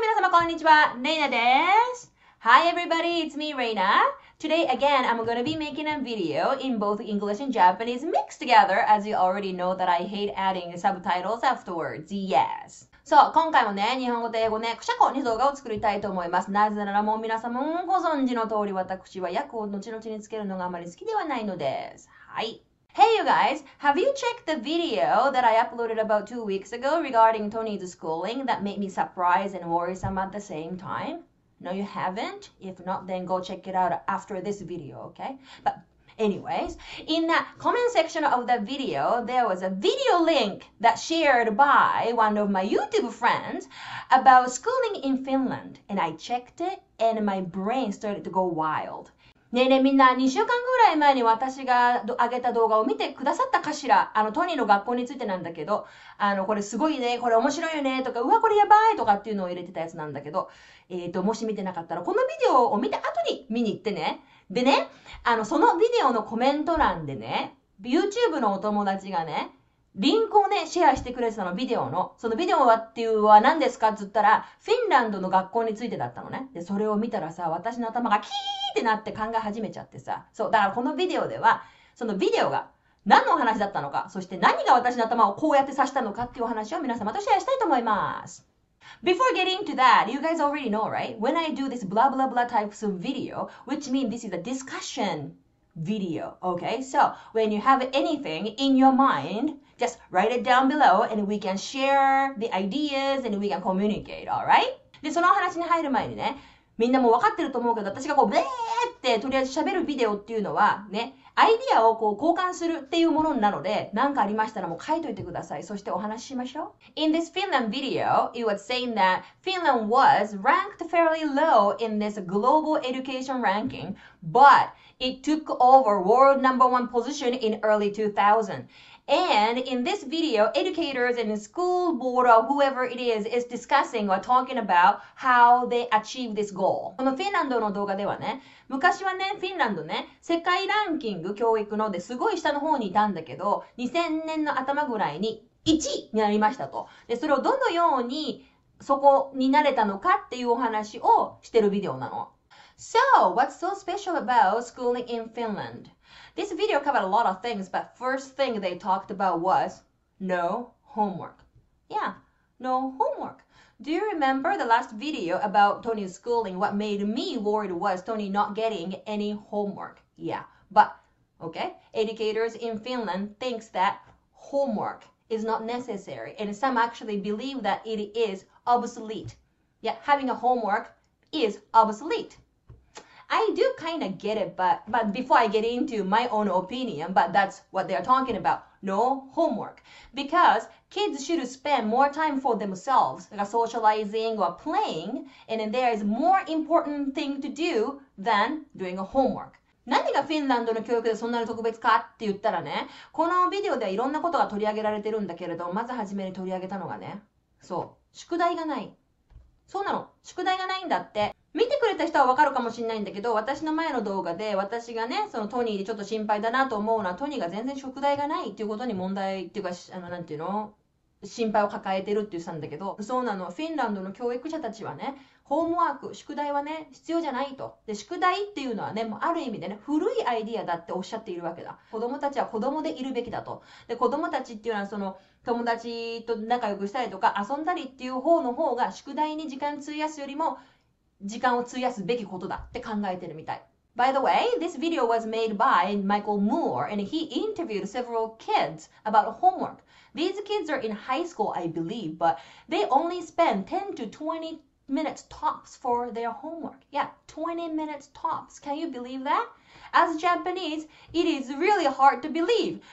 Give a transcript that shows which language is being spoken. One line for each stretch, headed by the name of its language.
Japanese: こんにちは、レイナです。
English: Hi everybody, it's me, Reina. Today again, I'm gonna be making a video in both English and Japanese mixed together, as you already know that I hate adding subtitles afterwards. Yes.
Japanese: そう、今回もね、日本語と英語ね、くしゃこに動画を作りたいと思います。なぜならもう皆様もご存知の通り、私は訳を後々につけるのがあまり好きではないのです。はい。
English: Hey you guys, have you checked the video that I uploaded about 2 weeks ago regarding Tony's schooling that made me surprised and worrisome at the same time? No, you haven't? If not, then go check it out after this video, okay? But anyways, in the comment section of the video, there was a video link that shared by one of my YouTube friends about schooling in Finland. And I checked it and my brain started to go wild.
Japanese: ねえねえ、みんな2週間ぐらい前に私が上げた動画を見てくださったかしら。あのトニーの学校についてなんだけど、あのこれすごいね、これ面白いよねとか、うわこれやばいとかっていうのを入れてたやつなんだけど、もし見てなかったらこのビデオを見た後に見に行ってね。でね、あのそのビデオのコメント欄でね、 YouTube のお友達がねリンクをねシェアしてくれてたの、ビデオの。そのビデオはっていうは何ですかっつったら、フィンランドの学校についてだったのね。でそれを見たらさ、私の頭がキーってなって考え始めちゃってさ。そう、だからこのビデオでは、そのビデオが何のお話だったのか、そして何が私の頭をこうやって刺したのかっていうお話を皆様とシェアしたいと思います。
English: Before getting to that, you guys already know, right? When I do this blah blah blah types of video, which means this is a discussion video, okay? So, when you have anything in your mind, just write it down below and we can share the ideas and we can communicate, alright?
Japanese: で、そのお話に入る前にね、みんなもわかってると思うけど、私がこう、ベーってとりあえず喋るビデオっていうのは、ね、アイディアをこう交換するっていうものなので、なんかありましたらもう書いといてください。そしてお話ししましょう。
English: In this Finland video, it was saying that Finland was ranked fairly low in this global education ranking, but it took over world number one position in early 2000. And in this video, educators and school board or whoever it is discussing or talking about how they achieve this goal.
Japanese: このフィンランドの動画ではね、昔はね、フィンランドね、世界ランキング教育のですごい下の方にいたんだけど、2000年の頭ぐらいに1位になりましたと。で、それをどのようにそこになれたのかっていうお話をしてるビデオなの。
English: So, what's so special about schooling in Finland? This video covered a lot of things, but first thing they talked about was no homework. Yeah, no homework. Do you remember the last video about Tony's schooling? What made me worried was Tony not getting any homework. Yeah, but okay, educators in Finland think that homework is not necessary, and some actually believe that it is obsolete. Yeah, having a homework is obsolete. I do kind of get it, but before I get into my own opinion, but that's what they're talking about. No homework. Because kids should spend more time for themselves, like socializing or playing, and then there is more important thing to do than doing a homework.
Japanese: 何がフィンランドの教育でそんなに特別かって言ったらね、このビデオではいろんなことが取り上げられてるんだけれど、まずはじめに取り上げたのがね、そう、宿題がない。そうなの、宿題がないんだって。見てくれた人はわかるかもしれないんだけど、私の前の動画で私がね、そのトニーでちょっと心配だなと思うのは、トニーが全然宿題がないっていうことに問題っていうか、あのなんていうの、心配を抱えてるって言ってたんだけど、そうなの。フィンランドの教育者たちはね、ホームワーク、宿題はね、必要じゃないと。で、宿題っていうのはね、もうある意味でね、古いアイディアだっておっしゃっているわけだ。子供たちは子供でいるべきだと。で、子供たちっていうのは、その、友達と仲良くしたりとか、遊んだりっていう方の方が、宿題に時間費やすよりも、時間を費やすべきことだって考えてるみたい。
English: By the way, this video was made by Michael Moore, and he interviewed several kids about homework. These kids are in high school, I believe, but they only spend 10 to 20 minutes tops for their homework. Yeah, 20 minutes tops. Can you believe that? As Japanese, it is really hard to believe.